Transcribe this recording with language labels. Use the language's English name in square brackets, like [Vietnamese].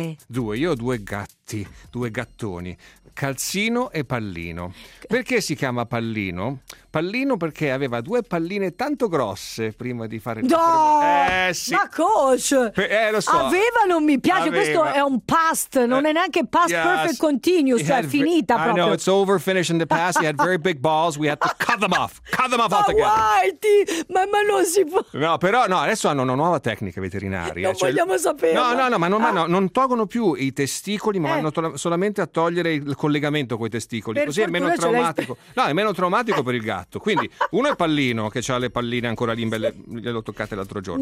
[Italian] Sì. Due, io ho due gatti, due gattoni. Calzino e Pallino. Perché si chiama Pallino? Pallino perché aveva due palline tanto grosse prima di fare no! Sì. Ma coach! Lo so. Aveva, non mi piace, aveva. Questo è un past, non è neanche past yes. Perfect continuous, cioè è finita proprio. [English] I know, it's over, finished in the past, he had very big balls, we had to cut them off altogether. [Italian] Ma guardi, ma non si può. No, però, no, adesso hanno una nuova tecnica veterinaria. Non cioè, vogliamo sapere. No, non tolgono più i testicoli, ma vanno solamente a togliere il collegamento con i testicoli, per così è meno traumatico. No, è meno traumatico per il gatto. Quindi uno è Pallino, che ha le palline ancora lì, gliel'ho toccate l'altro giorno.